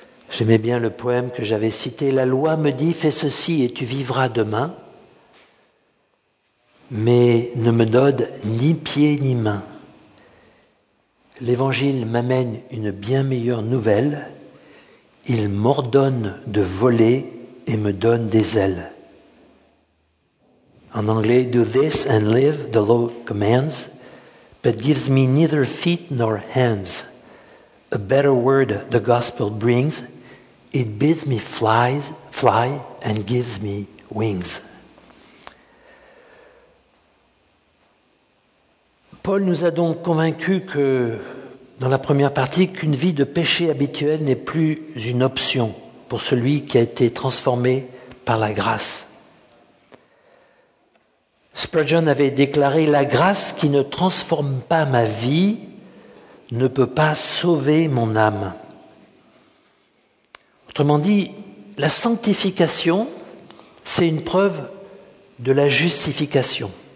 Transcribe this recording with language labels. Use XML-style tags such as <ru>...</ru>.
<fr>J'aimais bien le poème que j'avais cité. La loi me dit, fais ceci et tu vivras demain, mais ne me donne ni pied ni main. L'évangile m'amène une bien meilleure nouvelle. Il m'ordonne de voler et me donne des ailes. En anglais,</fr> <en>do this and live, the law commands, but gives me neither feet nor hands. A better word the gospel brings, it bids me fly and gives me wings.</en> <fr>Paul nous a donc convaincu que, dans la première partie, qu'une vie de péché habituel n'est plus une option pour celui qui a été transformé par la grâce. Spurgeon avait déclaré, « La grâce qui ne transforme pas ma vie ne peut pas sauver mon âme. » Autrement dit, la sanctification, c'est une preuve de la justification.</fr>